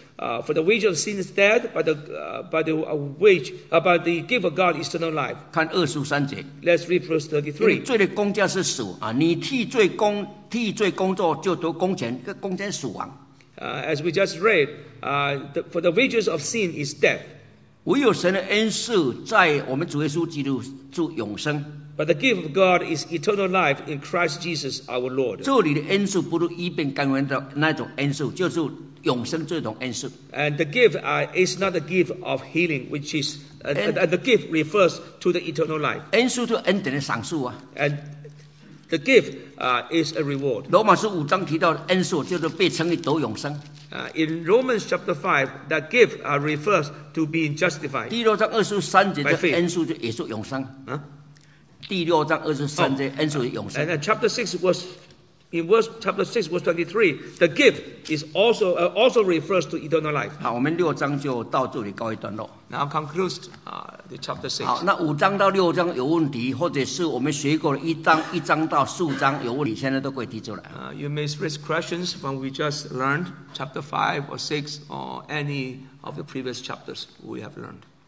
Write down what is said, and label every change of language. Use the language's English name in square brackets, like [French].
[English] For the wage of sin is death, but the gift of God is eternal life. [Chinese] 看23节, [English] let's read verse 33. [Chinese] 罪的工价是死，你替罪工作就得工钱，工钱死亡。 [English] As we just read, for the wages of sin is death. [Chinese] 唯有神的恩赐在我们主耶稣基督就永生。 [English] But the gift of God is eternal life in Christ Jesus our Lord. [Chinese] 这里的恩赐不如一边刚刚的那种恩赐，就是永生这种恩赐。 [English] And the gift is not the gift of healing, which is the gift refers to the eternal life. [Chinese] 恩赐就恩典的赏赐啊。 [English] And the gift is a reward. [Chinese] 罗马书5章提到恩赐，就是被称义得永生。 [English] In Romans chapter 5, that gift refers to being justified. [Chinese] 第6章23节的恩赐就也是永生。第6章23节恩赐永生。 [English] And chapter 6 was in verse chapter 6 verse 23, the gift is also also refers to eternal life. [Chinese] 好，我们6章就到这里告一段落。 [English] Now concludes the chapter 6. [Chinese] 好，那5章到6章有问题，或者是我们学过了1章1章到4章有问题，现在都可以提出来。 [English] You may raise questions from we just learned chapter 5 or 6 or any of the previous chapters we have learned.